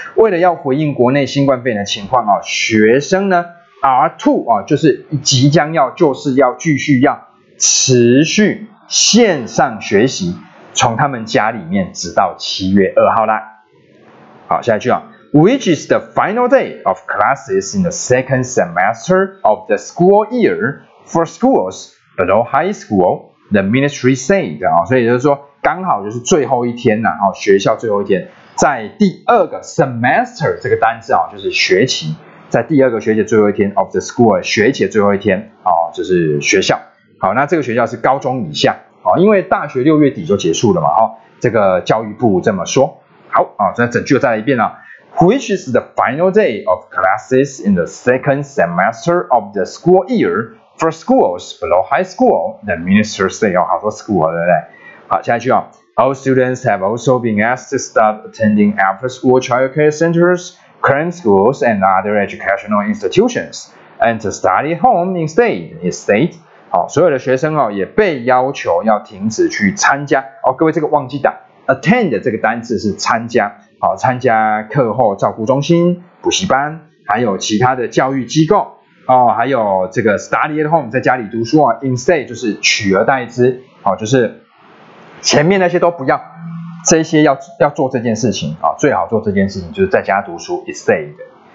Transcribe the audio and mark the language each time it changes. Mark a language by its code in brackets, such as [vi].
[zh] 为了要回应国内新冠肺炎的情况啊，学生呢 ,are to, 啊，就是即将要，就是要继续要持续线上学习，从他们家里面直到7月2号啦。好，下一句啊 [en] ，Which is the final day of classes in the second semester of the school year for schools below high school? The ministry said [zh] 啊，所以就是说，刚好就是最后一天呐，哦，学校最后一天，在第二个 semester 这个单字啊，就是学期，在第二个学期最后一天 of the school 学期最后一天啊，就是学校。好，那这个学校是高中以下，哦，因为大学六月底就结束了嘛，哦，这个教育部这么说。好，哦，那整句再来一遍啊。 [en] Which is the final day of classes in the second semester of the school year for schools below high school? The minister said, [zh] 哦，好多 school, 对不对？好，下一句啊。 [en] All students have also been asked to start attending after school childcare centers, cram schools, and other educational institutions, and to study home instead. [zh] 好，所有的学生哦也被要求要停止去参加哦。各位这个忘记打 attend 这个单字是参加，好，参加课后照顾中心、补习班，还有其他的教育机构哦，还有这个 study at home 在家里读书啊 ，instead 就是取而代之，好、哦，就是前面那些都不要，这些要做这件事情啊、哦，最好做这件事情就是在家读书 instead。